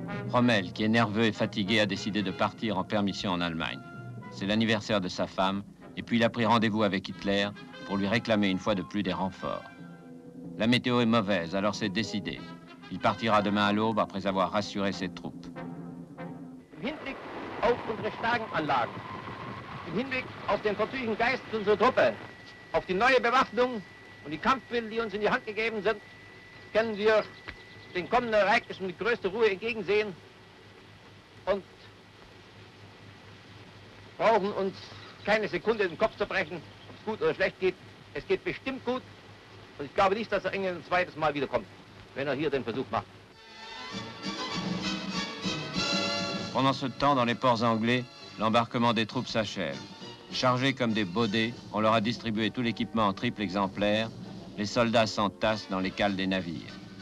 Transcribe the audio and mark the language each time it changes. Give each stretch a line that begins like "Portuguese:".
French: Rommel, qui est nerveux et fatigué, a décidé de partir en permission en Allemagne. C'est l'anniversaire de sa femme, et puis il a pris rendez-vous avec Hitler pour lui réclamer une fois de plus des renforts. La météo est mauvaise, alors c'est décidé. Il partira demain à l'aube après avoir rassuré ses troupes.
German: Auf unsere starken Anlagen, im Hinblick auf den französischen Geist unserer Truppe, auf die neue Bewaffnung und die Kampfwille, die uns in die Hand gegeben sind, können wir den kommenden Ereignissen mit größter Ruhe entgegensehen und brauchen uns keine Sekunde den Kopf zu brechen, ob es gut oder schlecht geht. Es geht bestimmt gut und ich glaube nicht, dass er ein zweites Mal wiederkommt, wenn er hier den Versuch macht.
French: Pendant ce temps, dans les ports anglais, l'embarquement des troupes s'achève. Chargés comme des baudets, on leur a distribué tout l'équipement en triple exemplaire. Les soldats s'entassent dans les cales des navires.